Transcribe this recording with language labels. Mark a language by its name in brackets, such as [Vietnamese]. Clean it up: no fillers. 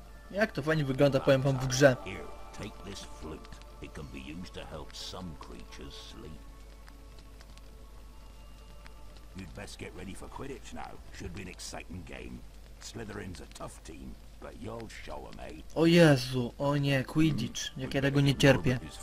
[Polish] Jak to fajnie wygląda, powiem wam, w grze. [English] Take this flute. It can be used to help some creatures sleep. You'd best get ready for Quidditch now. Should be an exciting game. Slytherin's a tough team, but you'll show 'em, eh? [Polish] O Jezu, o nie, Quidditch. Jak ja tego nie cierpię.